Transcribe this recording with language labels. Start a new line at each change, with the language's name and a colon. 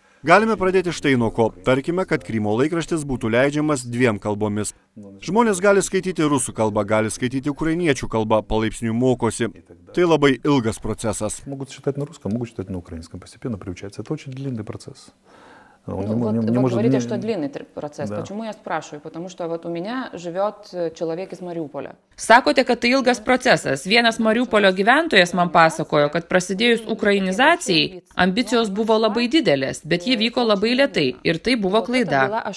Lithuanian: Galime pradėti štai nuo ko, tarkime, kad Krymo laikraštis būtų leidžiamas dviem kalbomis. Žmonės gali skaityti rusų kalbą, gali skaityti ukrainiečių kalbą, palaipsniui mokosi. Tai labai ilgas procesas. Mogut šitai na ruską, mogut šitai na ukrainską, pasipieną priučiatsia, tai očiai dilindai procesas.
Russian: Говорите, что длинный процесс. Почему я спрашиваю? Потому что вот у меня живет человек из Мариуполя.
Lithuanian: Sakote, kad tai ilgas procesas. Vienas Mariupolio gyventojas man pasakojo, kad prasidėjus ukrainizacijai, ambicijos buvo labai didelės, bet jie vyko labai lietai ir tai buvo klaida.